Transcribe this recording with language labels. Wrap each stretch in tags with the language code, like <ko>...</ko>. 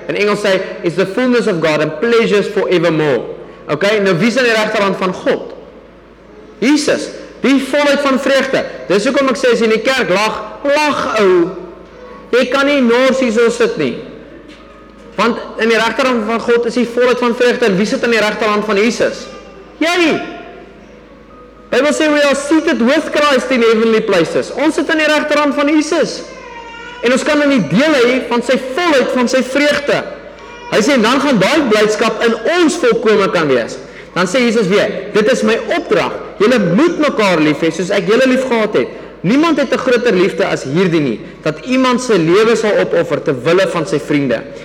<af>In Engels sê hy,</af> <en>is the fullness of God and pleasures forevermore.</en> <af>Ok, nou wie is aan die regterhand van God? Jesus, die volheid van vreugde. Dis ook om ek sê, as in die kerk lag ou. Jy kan nie nors hier so sit nie. Want in die regterhand van God is die volheid van vreugde. En wie sit aan die regterhand van Jesus? Jy! Bybel sê,</af> <en>we are seated with Christ in heavenly places.</en> <af>Ons sit aan die regterhand van Jesus. En ons kan in die deel hê van sy volheid, van sy vreugde. Hy sê, dan gaan daai blydskap in ons volkome kan wees. Dan sê Jesus weer, dit is my opdrag. Julle moet mekaar lief hê soos ek julle lief gehad het. Niemand het 'n groter liefde as hierdie nie, dat iemand sy lewe sal opoffer ter wille van sy vriende.</af>